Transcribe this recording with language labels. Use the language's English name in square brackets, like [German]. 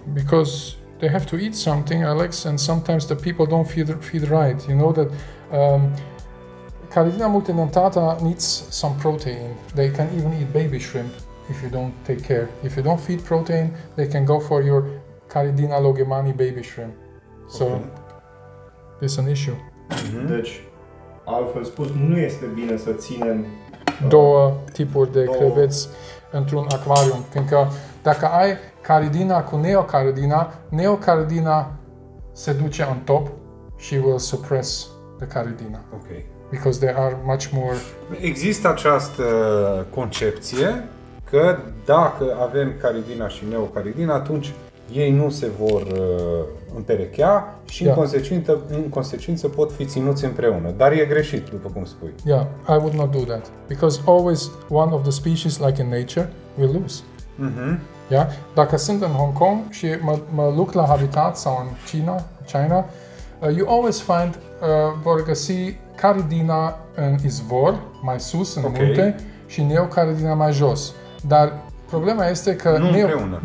[English] Because they have to eat something, Alex, and sometimes the people don't feed right. You know that... Caridina multidentata needs some protein. They can even eat baby shrimp if you don't take care. If you don't feed protein, they can go for your Caridina logemani baby shrimp. So, okay. It's an issue. Mm-hmm. [Romanian] Deci, altfel spus, nu este bine să ținem două tipuri de creveți într-un acvariu. Fiindcă dacă ai Caridina cu neocaridina, neocaridina se duce [English] on top. She will suppress the Caridina. Okay. Because they are much more... [Romanian] Există această concepție că dacă avem caridina și neocaridina, atunci ei nu se vor împerechea și în consecință pot fi ținuți împreună. Dar e greșit, după cum spui. [English] Yeah, I would not do that. Because always one of the species, like in nature, will lose. Mm-hmm. Yeah? [Romanian] Dacă sunt în Hong Kong și mă duc la habitat sau în China, [English] you always find, [Romanian] vor găsi caridina în izvor, mai sus, în munte, și neocaridina mai jos. Dar problema este că... Nu împreună.